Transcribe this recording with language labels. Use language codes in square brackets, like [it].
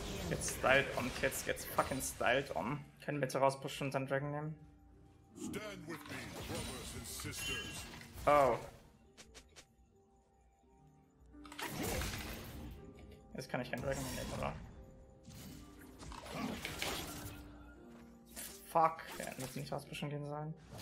[de] Jetzt [en] styled on, Kids, [de] jetzt [en] fucking styled on. [de] Können wir bitte rauspushen und dann Dragon nehmen? [en] Stand with me, brothers and sisters. Oh. [de] Jetzt kann ich keinen Dragon mehr nehmen, oder? Fuck, wir hätten jetzt nicht rauspushen gehen sollen.